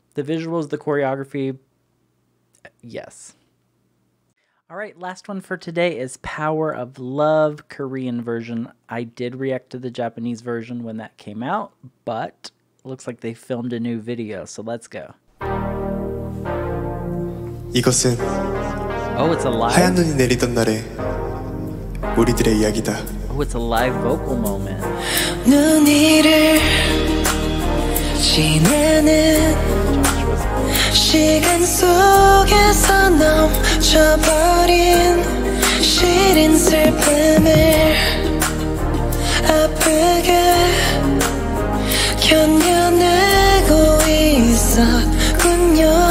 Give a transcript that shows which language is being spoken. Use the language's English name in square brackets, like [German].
[English] The visuals, the choreography. Yes. All right, last one for today is Power of Love, Korean version. I did react to the Japanese version when that came out, but looks like they filmed a new video, so let's go. [Korean] 이것은 [English] oh, it's alive. [Korean] 하얀 눈이 내리던 날에 우리들의 이야기다. [English] Oh, it's a live vocal moment. [Korean] 눈이를 지내는 시간 속에서 넘쳐버린 시린 슬픔을 아프게 견뎌내고 있었군요.